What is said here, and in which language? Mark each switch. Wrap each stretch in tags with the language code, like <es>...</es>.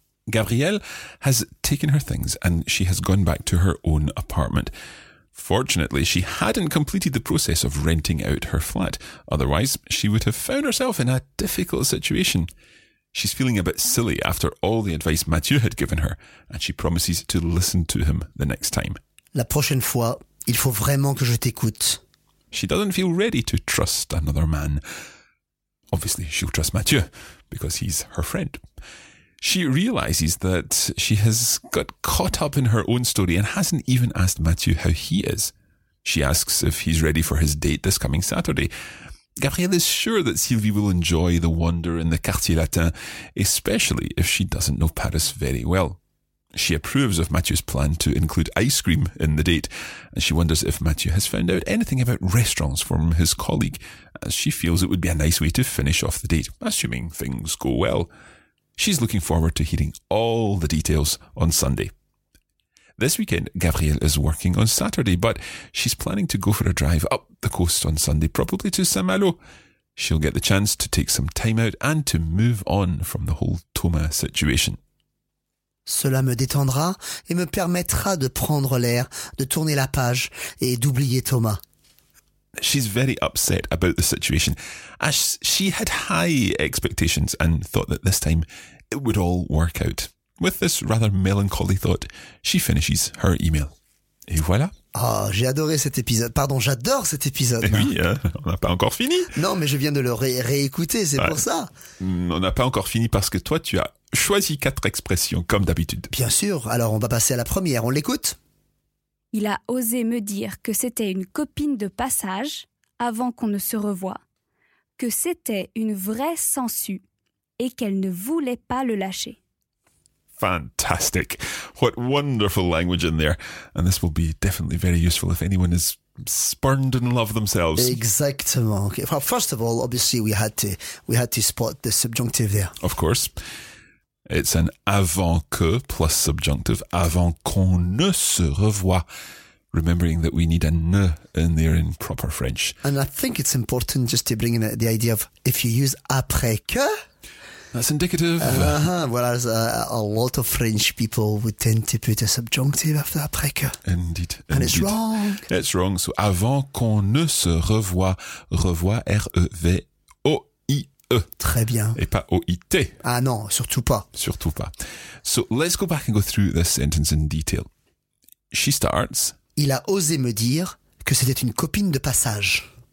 <en>Gabrielle has taken her things and she has gone back to her own apartment. Fortunately, she hadn't completed the process of renting out her flat. Otherwise, she would have found herself in a difficult situation. She's feeling a bit silly after all the advice Mathieu had given her, and she promises to listen to him the next time.</en> <fr>La prochaine fois, il faut vraiment que je t'écoute.</fr> <en>She doesn't feel ready to trust another man. Obviously, she'll trust Mathieu, because he's her friend. She realises that she has got caught up in her own story and hasn't even asked Mathieu how he is. She asks if he's ready for his date this coming Saturday. Gabrielle is sure that Sylvie will enjoy the wander in the Quartier Latin, especially if she doesn't know Paris very well. She approves of Mathieu's plan to include ice cream in the date, and she wonders if Mathieu has found out anything about restaurants from his colleague, as she feels it would be a nice way to finish off the date, assuming things go well. She's looking forward to hearing all the details on Sunday. This weekend, Gabrielle is working on Saturday, but she's planning to go for a drive up the coast on Sunday, probably to Saint-Malo. She'll get the chance to take some time out and to move on from the whole Thomas situation.</en> <fr>Cela me détendra et me permettra de prendre l'air, de tourner la page et d'oublier Thomas.</fr> <en>She's very upset about the situation, as she had high expectations and thought that this time it would all work out. With this rather melancholy thought, she finishes her email.</en> <fr>Et voilà. Oh, j'ai adoré cet épisode. Pardon, j'adore cet épisode. Oui, hein, on n'a pas encore fini. Non, mais je viens de le réécouter, c'est pour ça. On n'a pas encore fini parce que toi, tu as choisi quatre expressions, comme d'habitude. Bien sûr. Alors, on va passer à la première. On l'écoute. Il a osé me dire que c'était une copine de passage avant qu'on ne se revoie, que c'était une vraie sangsue et qu'elle ne voulait pas le lâcher.</fr> <en>Fantastic. What wonderful language in there. And this will be definitely very useful if anyone is spurned in love themselves.</en> <fr>Exactement. Okay.</fr> <en>Well, first of all, obviously we had to spot the subjunctive there. Of course. It's an avant que plus subjunctive,</en> <fr>avant qu'on ne se revoie.</fr> <en>Remembering that we need a ne in there in proper French. And I think it's important just to bring in the idea of if you use après que... That's indicative. Whereas a lot of French people would tend to put a subjunctive after après que. Indeed. And it's wrong. It's wrong. So</en> <fr>avant qu'on ne se revoie,</fr> <en>revoie, R-E-V-O-I-E.</en> <fr>Très bien. Et pas O-I-T. Ah non, surtout pas. Surtout pas.</fr> <en>So let's go back and go through this sentence in detail. She starts.</en> <fr>Il a osé me dire que c'était une copine de passage.</fr>